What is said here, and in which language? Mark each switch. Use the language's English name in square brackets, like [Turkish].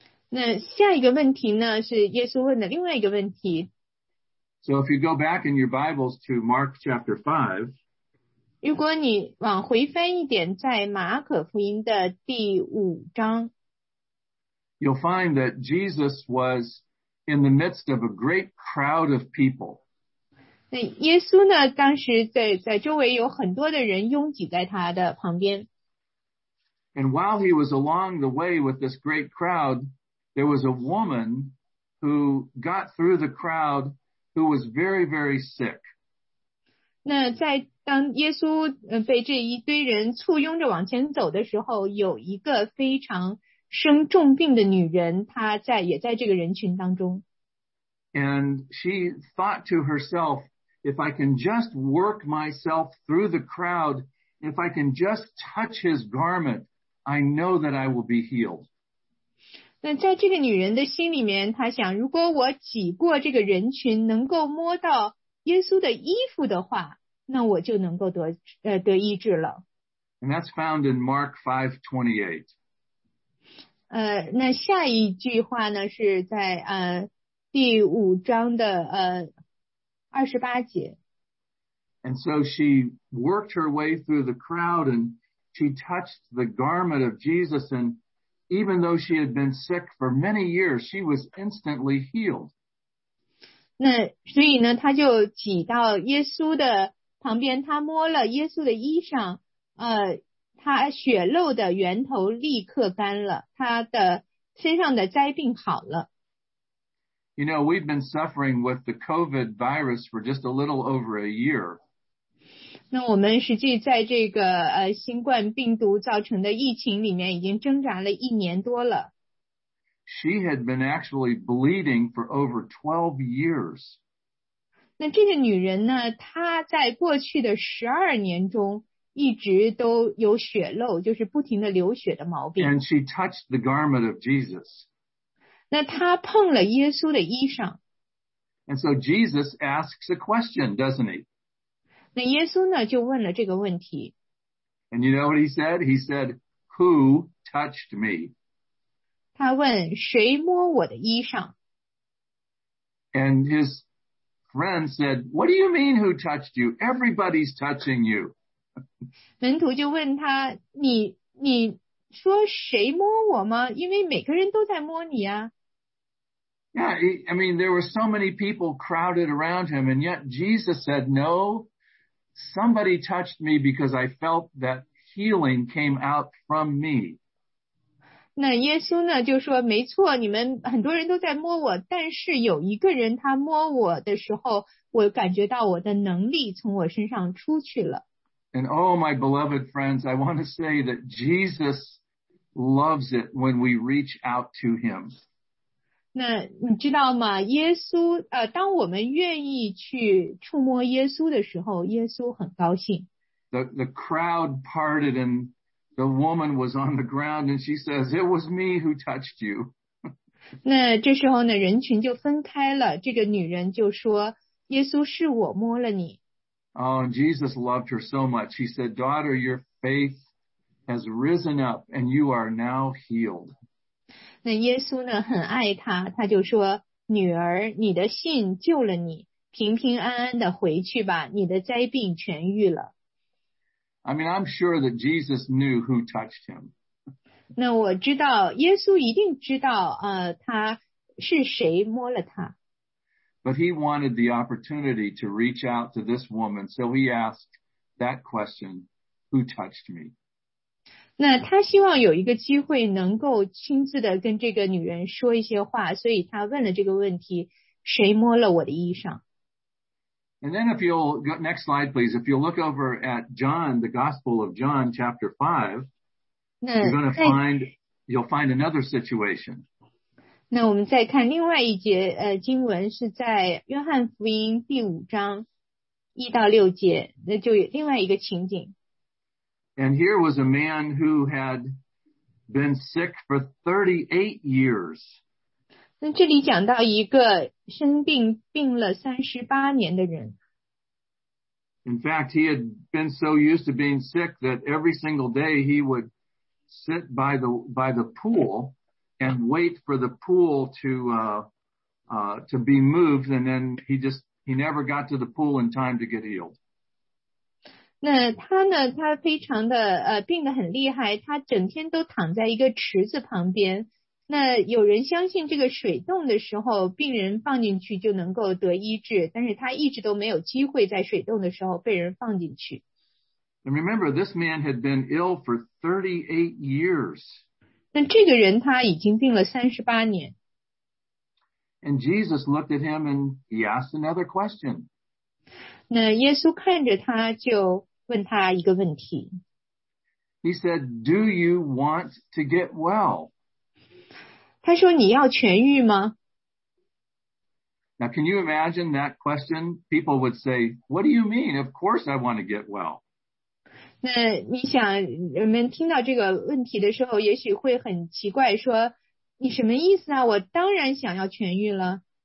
[Chinese] 那下一个问题呢，是耶稣问的另外一个问题。 [English] So if you go back in your Bibles to Mark chapter 5, [Chinese] 如果你往回翻一点，在马可福音的第五章， [English] you'll find that Jesus was in the midst of a great crowd of people. [Chinese] 那耶稣呢，当时在周围有很多的人拥挤在他的旁边。 [English] And while he was along the way with this great crowd, there was a woman who got through the crowd who was very, very sick. [Chinese] 那在当耶稣被这一堆人簇拥着往前走的时候，有一个非常生重病的女人，她在也在这个人群当中。 [English] And she thought to herself, if I can just work myself through the crowd, if I can just touch his garment, I know that I will be healed. [Chinese] 那在这个女人的心里面，她想，如果我挤过这个人群，能够摸到耶稣的衣服的话，那我就能够得医治了。 [English] And that's found in Mark 5:28. [Chinese] 那下一句话呢，是在第五章的28节。 [English] And so she worked her way through the crowd and she touched the garment of Jesus, and even though she had been sick for many years, she was instantly healed. [Chinese] 那所以呢，她就挤到耶稣的旁边，她摸了耶稣的衣裳，她血漏的源头立刻干了，她的身上的灾病好了。 [English] You know, we've been suffering with the COVID virus for just a little over a year. [Chinese] 那我们实际在这个新冠病毒造成的疫情里面已经挣扎了一年多了。 [English] She had been actually bleeding for over 12 years. [Chinese] 那这个女人呢，她在过去的12年中一直都有血漏，就是不停的流血的毛病。 [English] And she touched the garment of Jesus. [Chinese] 那她碰了耶稣的衣裳。 [English] And so Jesus asks a question, doesn't he? [Chinese] 那耶稣呢，就问了这个问题。 [English] And you know what he said? He said, who touched me? [Chinese] 他问，谁摸我的衣裳？ [English] And his friend said, what do you mean who touched you? Everybody's touching you. [Chinese] 门徒就问他，你说谁摸我吗？因为每个人都在摸你啊。 [English] Yeah, I mean, there were so many people crowded around him, and yet Jesus said, no, somebody touched me because I felt that healing came out from me. [Chinese] 那耶稣呢就说，没错，你们很多人都在摸我，但是有一个人他摸我的时候，我感觉到我的能力从我身上出去了。 [English] And oh, my beloved friends, I want to say that Jesus loves it when we reach out to him. [Chinese] 那你知道吗？耶稣，当我们愿意去触摸耶稣的时候，耶稣很高兴。 [English] the crowd parted and the woman was on the ground and she says, it was me who touched you. [Chinese] 那这时候呢人群就分开了这个女人就说耶稣是我摸了你。 [English] Oh, and Jesus loved her so much. He said, daughter, your faith has risen up and you are now healed. [Chinese] 那耶稣呢很爱她她就说女儿你的信救了你平平安安的回去吧你的灾病痊愈了。 [English] I mean, I'm sure that Jesus knew who touched him. [Chinese] 那我知道耶稣一定知道他是谁摸了他。 [English] But he wanted the opportunity to reach out to this woman, so he asked that question, who touched me? [Chinese] 那他希望有一个机会能够亲自的跟这个女人说一些话，所以他问了这个问题，谁摸了我的衣裳？ [English] And then if you'll, next slide please, if you'll look over at John, the Gospel of John, chapter 5, you're going to find, you'll find another situation. [Chinese] 那我们再看另外一节经文是在约翰福音第五章一到六节那就有另外一个情景。 [English] And here was a man who had been sick for 38 years. [Chinese] 那这里讲到一个生病病了38年的人。 [English] In fact, he had been so used to being sick that every single day he would sit by the pool and wait for the pool to be moved, and then he never got to the pool in time to get healed. [Chinese] 那他呢他非常的病得很厉害他整天都躺在一个池子旁边那有人相信这个水洞的时候病人放进去就能够得医治但是他一直都没有机会在水洞的时候被人放进去。 [English] And remember, this man had been ill for 38 years. [Chinese] 那这个人他已经病了38年。 [English] And Jesus looked at him and he asked another question. [Chinese] 那耶稣看着他就问他一个问题。 [English] He said, do you want to get well? [Chinese] 他说你要痊愈吗? [English] Now can you imagine that question? People would say, what do you mean? Of course I want to get well. [Chinese] 那你想人们听到这个问题的时候也许会很奇怪说你什么意思啊我当然想要痊愈了。